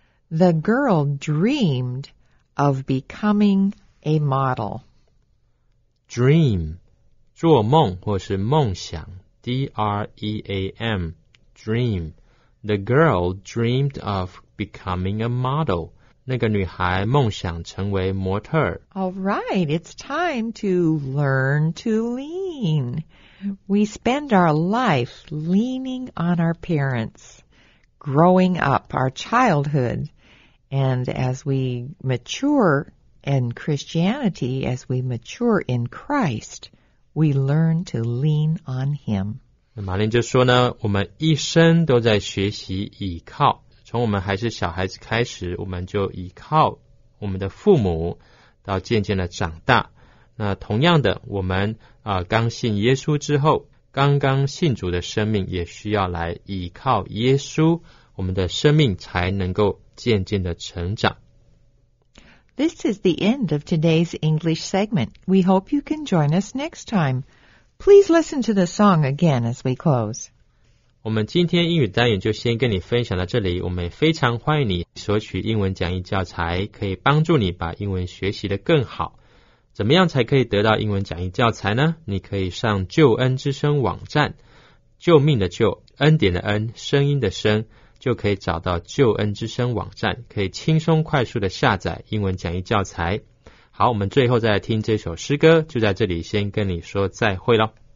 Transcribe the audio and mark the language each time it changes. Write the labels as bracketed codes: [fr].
[en] The girl dreamed of becoming a model. [zh] Dream, 做梦或是梦想 D-R-E-A-M, dream. [en] The girl dreamed of becoming a model. [zh] 那个女孩梦想成为模特儿。 [en] All right, it's time to learn to lean. We spend our life leaning on our parents, growing up, our childhood. And as we mature in Christianity, as we mature in Christ, we learn to lean on Him. [zh] 那马林就说呢，我们一生都在学习倚靠，从我们还是小孩子开始，我们就倚靠我们的父母，到渐渐的长大。那同样的，我们刚信耶稣之后，刚刚信主的生命也需要来倚靠耶稣，我们的生命才能够渐渐的成长。 [en] This is the end of today's English segment. We hope you can join us next time. Please listen to the song again as we close. [zh] 我们今天英语单元就先跟你分享到这里，我们非常欢迎你索取英文讲义教材，可以帮助你把英文学习得更好。怎么样才可以得到英文讲义教材呢？你可以上救恩之声网站，救命的救，恩典的恩，声音的声，就可以找到救恩之声网站，可以轻松快速的下载英文讲义教材。好，我们最后再来听这首诗歌，就在这里先跟你说再会了。